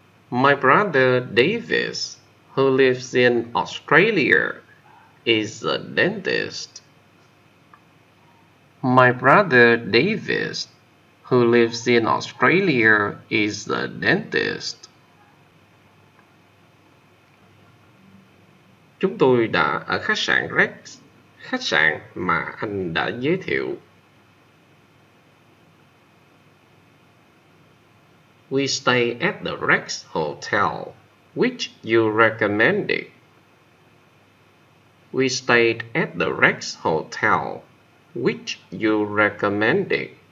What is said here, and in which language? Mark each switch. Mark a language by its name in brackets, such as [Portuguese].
[English] My brother Davis, who lives in Australia, is a dentist. My brother Davis, who lives in Australia, is a dentist. [Vietnamese] Chúng tôi đã ở khách sạn Rex, khách sạn mà anh đã giới thiệu. [English] We stay at the Rex Hotel, which you recommended. We stayed at the Rex Hotel, which you recommended.